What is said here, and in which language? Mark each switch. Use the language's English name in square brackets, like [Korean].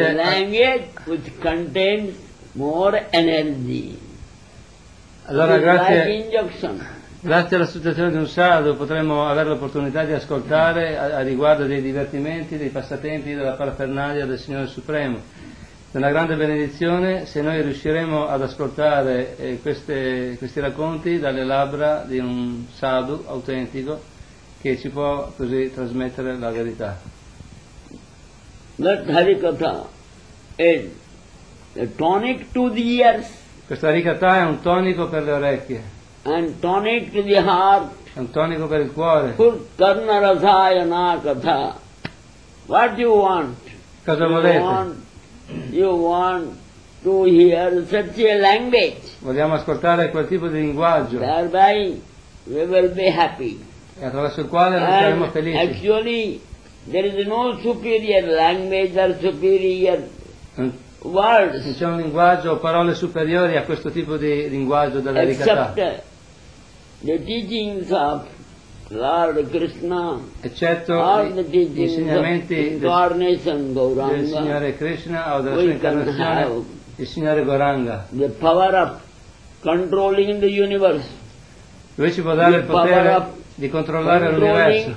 [English] The language which contains more energy. [Italian] Allora, grazie. [English] Like injection. [Italian] Grazie all'associazione di un sadhu potremmo avere l'opportunità di ascoltare a riguardo dei divertimenti, dei passatempi, della parafernalia del Signore Supremo. È una grande benedizione se noi riusciremo ad ascoltare questi racconti dalle labbra di un sadhu autentico che ci può così trasmettere la verità. [English] That Harikatha is a tonic to the ears. [Italian] Questa Harikatha è un tonico per le orecchie. [English] And tonic to the heart. [Italian] Un tonico per il cuore. [Sanskrit] Purkarna rasayana katha. [English] What you want? [Italian] Cosa volete? [English] You want to hear such a language. [Italian] Vogliamo ascoltare quel tipo di linguaggio. [English] Thereby we will be happy. [Italian] E attraverso il quale noi saremo felici. [English] Actually, there is no superior language or superior words. [Italian] Non c'è un linguaggio o parole superiori a questo tipo di linguaggio della Harikatha. [English] The teachings of Lord Krishna, [Italian] eccetto [English] all the insegnamenti [Italian] del Signore Krishna o della sua incarnazione, il Signore Gauranga. [English] The power of controlling the universe. [Italian] Lui ci può dare [English] the [Italian] il potere di controllare l'universo.